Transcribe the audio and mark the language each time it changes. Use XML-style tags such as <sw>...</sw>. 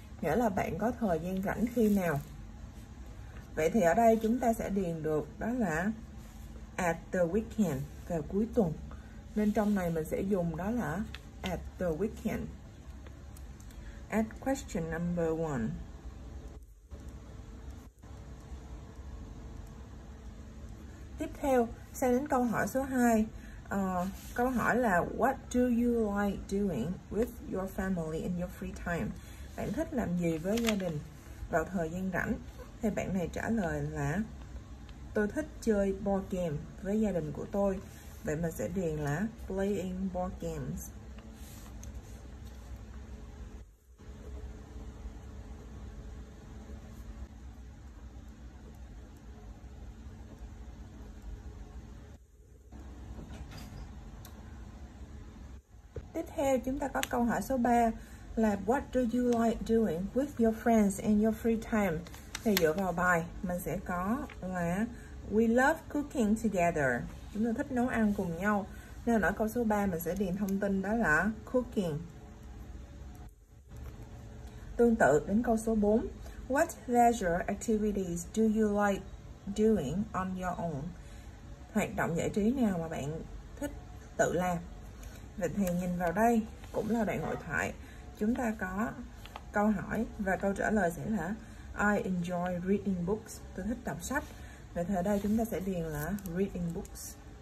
<vi>Nghĩa là bạn có thời gian rảnh khi nào? Vậy thì ở đây chúng ta sẽ điền được đó là</vi> <en>at the weekend,</en> <vi>vào cuối tuần. Nên trong này mình sẽ dùng đó là</vi> <en>at the weekend. At question number one.</en> <vi>Tiếp theo, sang đến câu hỏi số 2. Câu hỏi là</vi> <en>what do you like doing with your family in your free time?</en> <vi>Bạn thích làm gì với gia đình vào thời gian rảnh? Thì bạn này trả lời là tôi thích chơi board game với gia đình của tôi. Vậy mình sẽ điền là</vi> <en>playing board games.</en> <vi>Tiếp theo chúng ta có câu hỏi số 3 là</vi> <en>what do you like doing with your friends in your free time?</en> <vi>Thì dựa vào bài mình sẽ có là</vi> <en>we love cooking together.</en> <vi>Chúng ta thích nấu ăn cùng nhau. Nên ở câu số 3 mình sẽ điền thông tin đó là cooking. Tương tự đến câu số 4.</vi> <en>What leisure activities do you like doing on your own?</en> <vi>Hoạt động giải trí nào mà bạn thích tự làm? Vậy thì nhìn vào đây cũng là đoạn hội thoại, chúng ta có câu hỏi và câu trả lời sẽ là</vi> <en>I enjoy reading books,</en> <vi>tôi thích đọc sách. Vậy thì ở đây chúng ta sẽ điền là</vi> <en>reading books.</en>